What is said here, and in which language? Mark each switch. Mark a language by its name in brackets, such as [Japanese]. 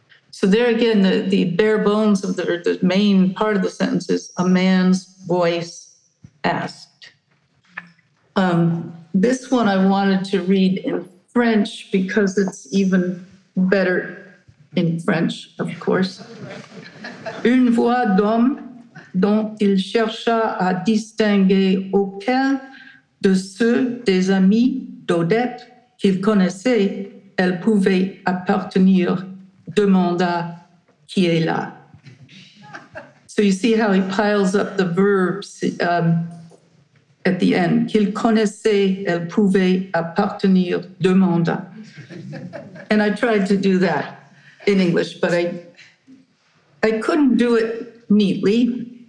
[English] So there again, the bare bones of the main part of the sentence is, a man's voice asked. This one I wanted to read in French because it's even better in French, of course. [French] Une voix d'homme dont il chercha à distinguer auquel de ceux des amis d'Odette qu'il connaissait elle pouvait appartenir demanda qui est là. [English] So you see how he piles up the verbs at the end. [French] Qu'il connaissait elle pouvait appartenir demanda. [English] And I tried to do that in English, but I couldn't do it neatly.